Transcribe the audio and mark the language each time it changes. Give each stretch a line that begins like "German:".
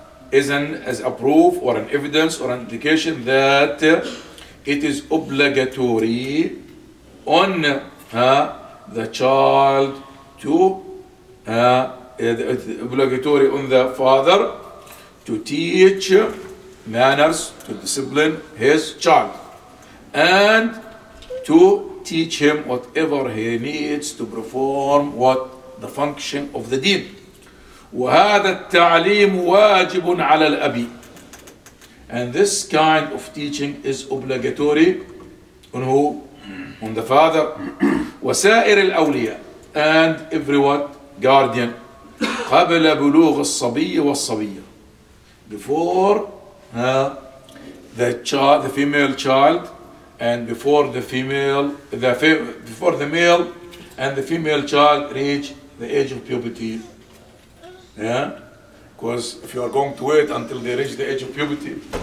English: is a proof or an evidence or an indication that it is obligatory on the child to obligatory on the father to teach manners to discipline his child and to teach him whatever he needs to perform what the function of the deen.
Arabic: وهذا التعليم واجب على الأب.
English: And this kind of teaching is obligatory on who? On the father.
Arabic: وسائر الأولياء
English: and everyone guardian
Arabic: قبل بلوغ الصبي والصبية
English: before the female child and before the female before the male and the female child reach the age of puberty because if you are going to wait until they reach the age of puberty